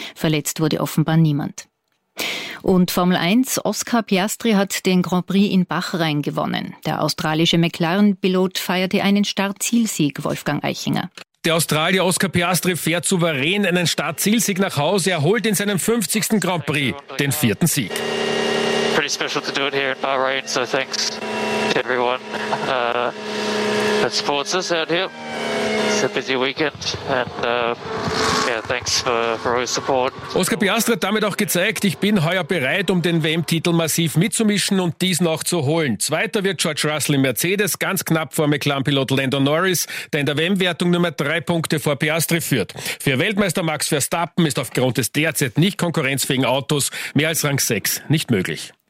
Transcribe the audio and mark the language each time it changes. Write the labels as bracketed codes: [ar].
[de] Verletzt wurde offenbar niemand. Und Formel 1, Oscar Piastri hat den Grand Prix in Bahrain gewonnen. Der australische McLaren-Pilot feierte einen Start-Ziel-Sieg, Wolfgang Eichinger. Der Australier Oscar Piastri fährt souverän einen Start-Ziel-Sieg nach Hause. Er holt in seinem 50. Grand Prix den vierten Sieg. [en] Pretty special to do it here in Bahrain, so thanks to everyone that supports us out here. It's a busy weekend and thanks for all your support. [de] Oscar Piastri hat damit auch gezeigt, ich bin heuer bereit, um den WM-Titel massiv mitzumischen und diesen auch zu holen. Zweiter wird George Russell in Mercedes, ganz knapp vor McLaren-Pilot Lando Norris, der in der WM-Wertung nur mehr 3 Punkte vor Piastri führt. Für Weltmeister Max Verstappen ist aufgrund des derzeit nicht konkurrenzfähigen Autos mehr als Rang 6 nicht möglich.